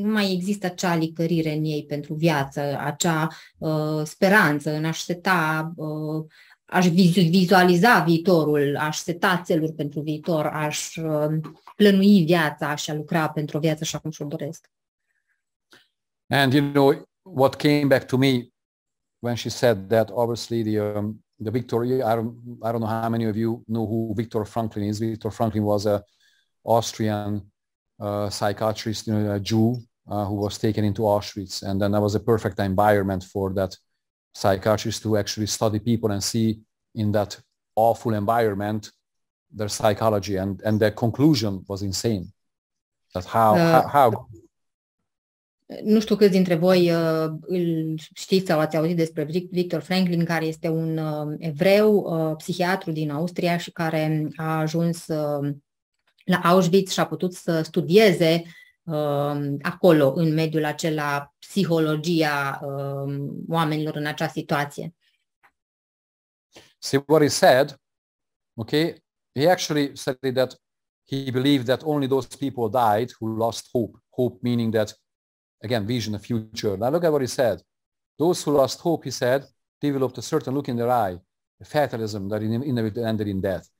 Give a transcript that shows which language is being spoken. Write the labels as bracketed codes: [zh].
[ro] există acea licărire în ei pentru viață, acea speranță în a-și seta, aș vizualiza viitorul, aș seta țeluri pentru viitor, aș plănui viața și a lucra pentru o viață așa cum și-o doresc. [en] And you know, what came back to me when she said that, obviously, the Victor, I don't know how many of you know who Viktor Frankl is. Viktor Frankl was an Austrian psychiatrist, you know, a Jew who was taken into Auschwitz. And then that was a perfect environment for that psychiatrist to actually study people and see in that awful environment their psychology. And their conclusion was insane. That how [ro] Nu știu câți dintre voi îl știți sau ați auzit despre Viktor Frankl, care este un evreu, psihiatru din Austria și care a ajuns la Auschwitz și a putut să studieze acolo, în mediul acela, psihologia oamenilor în acea situație. [en] See what he said, okay? He actually said that he believed that only those people died who lost hope. Hope meaning that, again, vision, the future. Now look at what he said. Those who lost hope, he said, developed a certain look in their eye, a fatalism that inevitably ended in death.